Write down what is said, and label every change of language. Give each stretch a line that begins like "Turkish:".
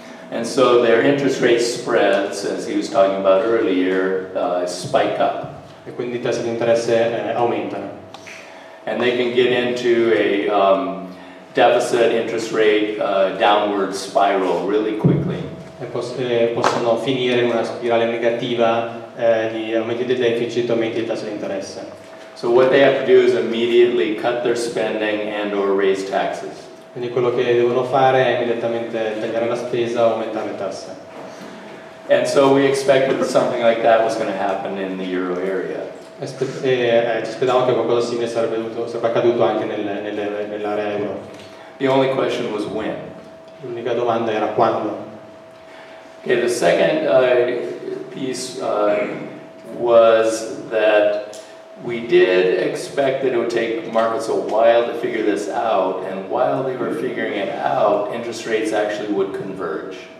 English: And so their interest rate spreads, as he was talking about earlier, spike up.
Italian: E quindi i tassi di interesse aumentano.
English: And they can get into a deficit interest rate downward spiral really quickly.
Italian: Possono finire in una spirale negativa di aumenti del deficit, aumenti del tasso di interesse.
English: So what they have to do is immediately cut their spending and or raise taxes.
Italian: Quindi quello che devono fare è immediatamente tagliare la spesa o aumentare le tasse.
English: And so we expected something like that was going to happen in the euro area.
Italian: Ci aspettavamo che qualcosa simile sarebbe accaduto anche nell'area euro.
English: The only question was when.
Italian: L'unica domanda era quando.
English: Okay, the second piece was that we did expect that it would take markets a while to figure this out, and while they were figuring it out, interest rates actually would converge.